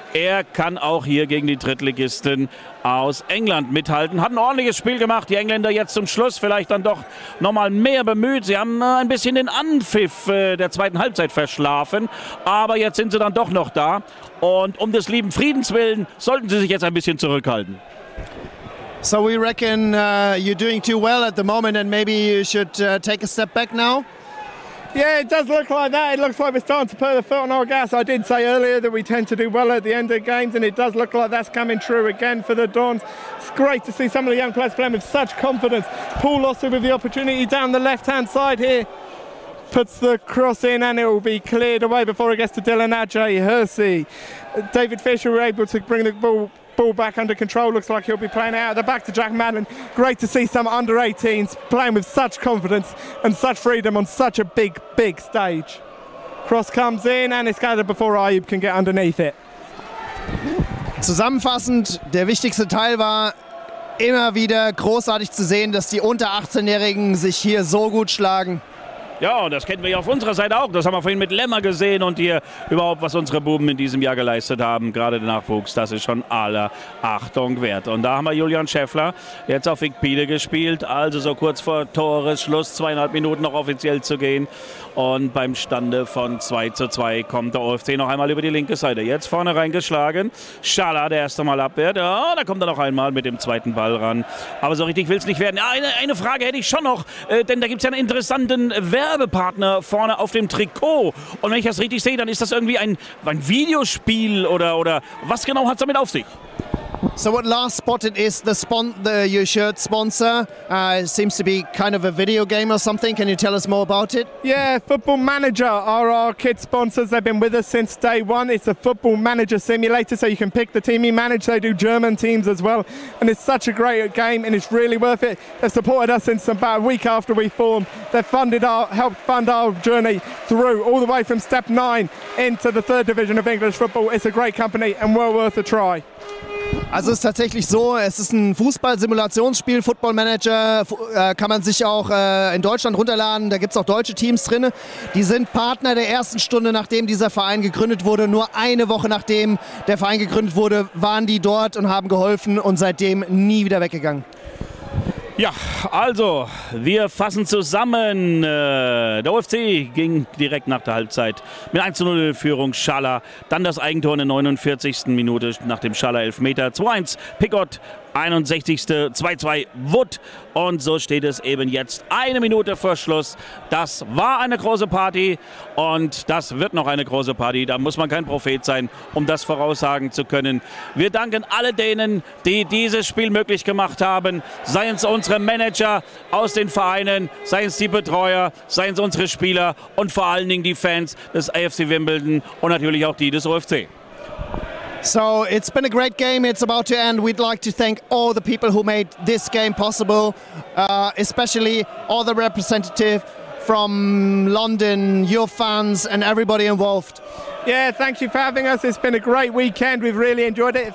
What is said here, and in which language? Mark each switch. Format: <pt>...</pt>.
<de>Er kann auch hier gegen die Drittligisten aus England mithalten. Hat ein ordentliches Spiel gemacht. Die Engländer jetzt zum Schluss vielleicht dann doch noch mal mehr bemüht. Sie haben ein bisschen den Anpfiff der zweiten Halbzeit verschlafen. Aber jetzt sind sie dann doch noch da. Und um des lieben Friedens willen sollten sie sich jetzt ein bisschen zurückhalten.</de> <en>So we reckon you're doing too well at the moment and maybe you should take a step back now. Yeah, it does look like that. It looks like we're starting to put the foot on our gas. I did say earlier that we tend to do well at the end of games, and it does look like that's coming true again for the Dons. It's great to see some of the young players playing with such confidence. Paul Lossu with the opportunity down the left-hand side here. Puts the cross in and it will be cleared away before it gets to Dylan Adjaye Hersey. David Fisher were able to bring the ball back under control. Looks like he'll be playing out of the back to Jack Madden. Great to see some under-18s playing with such confidence and such freedom on such a big, big stage. Cross comes in and it's gathered before Ayub can get underneath it.</en> <de>Zusammenfassend, der wichtigste Teil war immer wieder großartig zu sehen, dass die unter 18-Jährigen sich hier so gut schlagen. Ja, und das kennen wir ja auf unserer Seite auch. Das haben wir vorhin mit Lemmer gesehen und hier überhaupt, was unsere Buben in diesem Jahr geleistet haben. Gerade der Nachwuchs, das ist schon aller Achtung wert. Und da haben wir Julian Scheffler jetzt auf Wigpede gespielt. Also so kurz vor Toresschluss, 2,5 Minuten noch offiziell zu gehen. Und beim Stande von 2:2 kommt der OFC noch einmal über die linke Seite. Jetzt vorne reingeschlagen. Schala, der erste Mal abwehrt. Ja, da kommt er noch einmal mit dem zweiten Ball ran. Aber so richtig will es nicht werden. Ja, eine Frage hätte ich schon noch, denn da gibt es ja einen interessanten Werbepartner vorne auf dem Trikot. Und wenn ich das richtig sehe, dann ist das irgendwie ein Videospiel oder was genau hat es damit auf sich?</de> <en>So what Lars spotted is your shirt sponsor. It seems to be kind of a video game or something. Can you tell us more about it? Yeah, Football Manager are our kid sponsors. They've been with us since day one. It's a Football Manager simulator, so you can pick the team you manage. They do German teams as well. And it's such a great game and it's really worth it. They've supported us since about a week after we formed. They've helped fund our journey through all the way from step 9 into the third division of English football. It's a great company and well worth a try.</en> <de>Also es ist tatsächlich so, es ist ein Fußball-Simulationsspiel, Football Manager, kann man sich auch in Deutschland runterladen, da gibt es auch deutsche Teams drin. Die sind Partner der ersten Stunde, nachdem dieser Verein gegründet wurde. Nur eine Woche, nachdem der Verein gegründet wurde, waren die dort und haben geholfen und seitdem nie wieder weggegangen. Ja, also wir fassen zusammen. Der UFC ging direkt nach der Halbzeit mit 1:0 in Führung. Schala, dann das Eigentor in der 49. Minute nach dem Schala Elfmeter. 2:1 Pickott, 61. 2:2 Wood. Und so steht es eben jetzt 1 Minute vor Schluss. Das war eine große Party und das wird noch eine große Party. Da muss man kein Prophet sein, um das voraussagen zu können. Wir danken alle denen, die dieses Spiel möglich gemacht haben. Seien es unsere Manager aus den Vereinen, seien es die Betreuer, seien es unsere Spieler und vor allen Dingen die Fans des AFC Wimbledon und natürlich auch die des OFC.</de> <en>So it's been a great game. It's about to end. We'd like to thank all the people who made this game possible, especially all the representatives from London, your fans and everybody involved. Yeah, thank you for having us. It's been a great weekend. We've really enjoyed it.</en>